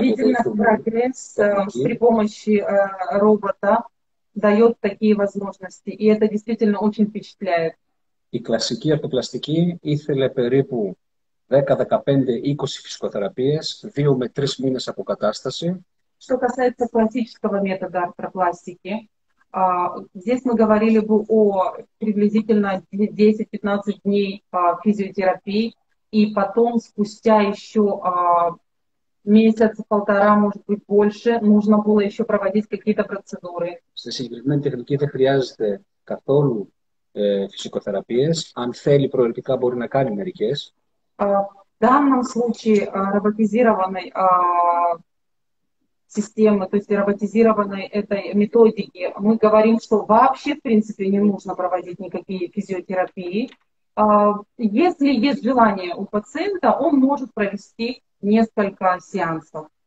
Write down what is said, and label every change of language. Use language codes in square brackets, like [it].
[el] υποδοχή. Η κλασική αρθροπλαστική ήθελε περίπου 10-15-20 φυσικοθεραπείες, 2 με 3 μήνες αποκατάσταση. Στο κασέτσα κλασικού μέτοδο αρθροπλαστική, [ru] здесь мы говорили бы о приблизительно 10-15 дней физиотерапии, и потом, спустя еще месяц-полтора, может быть, больше, нужно было еще проводить какие-то процедуры. [el] Στη συγκεκριμένη τεχνική δεν χρειάζεται καθόλου φυσικοθεραπείες. Αν θέλει προαιρετικά, μπορεί να κάνει μερικές. [ru] В данном случае роботизированной системы, то есть роботизированной этой методики, мы говорим, что вообще, в принципе, не нужно проводить никакие физиотерапии. Если есть желание у пациента, он может провести несколько сеансов.